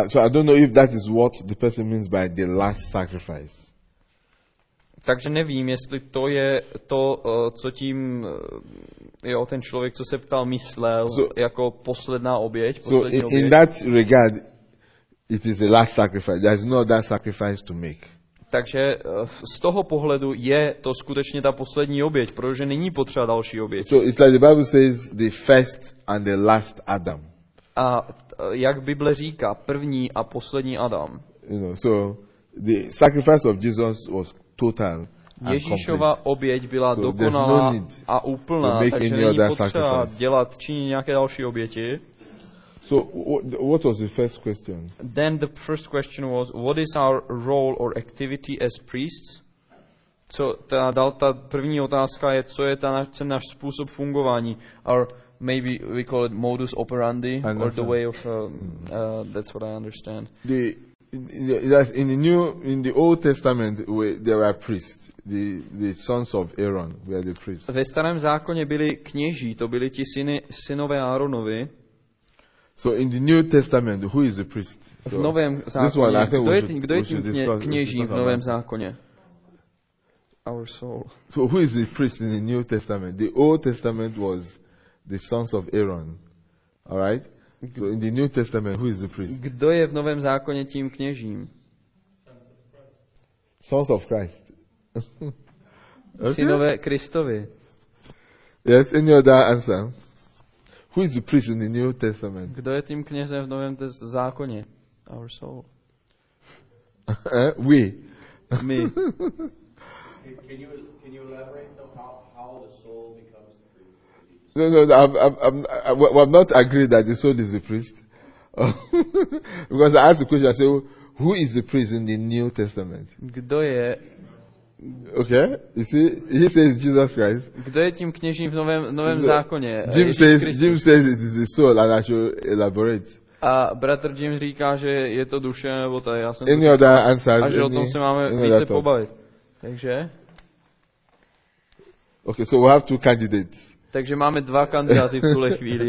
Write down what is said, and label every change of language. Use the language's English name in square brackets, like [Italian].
[English] So I don't know if that is what the person means by the last sacrifice. [Czech] Takže nevím, jestli to je to, co tím jo, ten člověk, co se ptal, myslel [English] so, [Czech] jako posledná oběť. [English] So in that regard, it is the last sacrifice. There is no other sacrifice to make. [Czech] Takže z toho pohledu je to skutečně ta poslední oběť, protože není potřeba další oběť. [English] So it's like the Bible says, the first and the last Adam. [Czech] A jak Bible říká, první a poslední Adam. [English] You know, so the sacrifice of Jesus was total. [Czech] Ježíšova oběť byla [English] so [Czech] dokonalá no a úplná, takže není potřeba dělat činit nějaké další oběti. [English] So what was the first question? Then the first question was, what is our role or activity as priests? [Czech] Co ta první otázka je, co je ten náš způsob fungování? [English] Our maybe we call it modus operandi, and or the way of. That's what I understand. In the Old Testament, there were priests. The sons of Aaron were the priests. [Czech] Ve starém zákoně byli kněží, to byli ti synové Aaronovi. [English] So in the New Testament, who is the priest? [Czech] V novém zákoně. Kdo je tím kněžím v novém zákoně? [English] Our soul. So who is the priest in the New Testament? The Old Testament was the sons of Aaron. All right? So in the New Testament, who is the priest? [Czech] Kdo je v novém zákoně tím kněžím? [English] Sons of Christ. [Czech] Synové Kristovi. [English] Yes, any other answer? Who is the priest in the New Testament? [Czech] Kdo je tím knězem v novém zákoně? [English] Our soul. We. Me. Can you elaborate though how the soul becomes the priest? No, I've not agreed that the soul is the priest. Because I asked the question, I said, who is the priest in the New Testament? [Czech] Kdo je? [English] Okay, you see, he says Jesus Christ. [Czech] Kdo je tím kněžím v novém zákoně? [English] Jim says it is the soul, and I should elaborate. [Czech] A bratr Jim říká, že je to duše, nebo to já jsem... [English] Any other answer? [Czech] A že o tom se máme více pobavit. Takže? [English] Okay, so we have two candidates. [Czech] Takže máme dva kandidáty v tuhle chvíli.